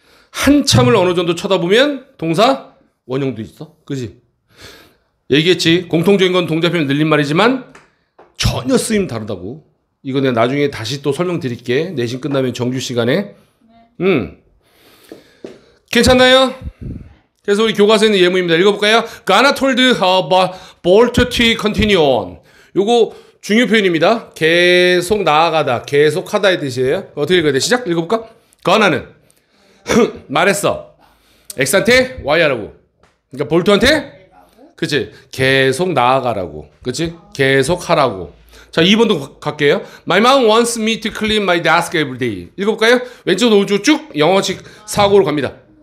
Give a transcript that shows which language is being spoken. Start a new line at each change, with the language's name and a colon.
Korean: 한참을 어느 정도 쳐다보면 동사 원형도 있어. 그지? 얘기했지. 공통적인 건 동작표현 늘린 말이지만 전혀 쓰임 다르다고. 이거 내가 나중에 다시 또 설명드릴게. 내신 끝나면 정규 시간에. 괜찮나요? 그래서 우리 교과서에 있는 예문입니다. 읽어볼까요?
English: Gonna told bolt to continue on.
Korean: 요거 중요 표현입니다. 계속 나아가다, 계속 하다의 뜻이에요. 어떻게 읽어야 돼? 시작 읽어볼까? Gonna는 말했어. X한테 Y하라고. 그러니까 볼트한테 그치? 계속 나아가라고. 그치? 계속 하라고. 자, 2번도 갈게요.
English: My mom wants me to clean my desk every day.
Korean: 읽어볼까요? 왼쪽, 오른쪽 쭉 영어식 사고로 갑니다.